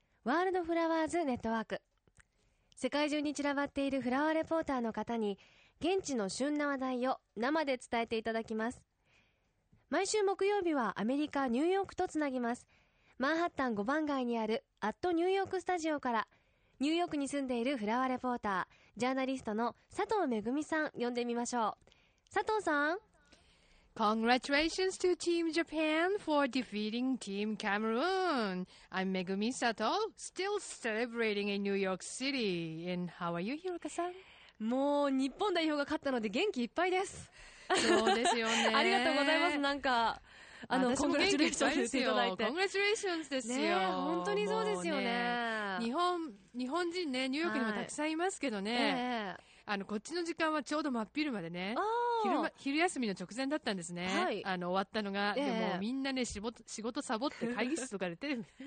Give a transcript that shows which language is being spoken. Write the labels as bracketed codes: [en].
[ja] ワールドフラワーズネットワーク、世界中に散らばっているフラワーレポーターの方に現地の旬な話題を生で伝えていただきます。毎週木曜日はアメリカ・ニューヨークとつなぎます。マンハッタン5番街にあるアットニューヨークスタジオから、ニューヨークに住んでいるフラワーレポータージャーナリストの佐藤めぐみさん呼んでみましょう。佐藤さん、 [en] Congratulations to Team Japan for defeating Team Cameroon. I'm Megumi Sato, still celebrating in New York City. And how are you, Hiroka さん？ [ja] もう日本代表が勝ったので元気いっぱいです。そうですよね。ありがとうございます。なんかコングラチュレーションズですよ。コングラチュレーションズですよ。本当にそうですよ ね。日本人ね、ニューヨークにもたくさんいますけどね、はい、こっちの時間はちょうど真っ昼までね、昼休みの直前だったんですね、はい、終わったのが、でもみんなね、仕事サボって会議室とかで出てる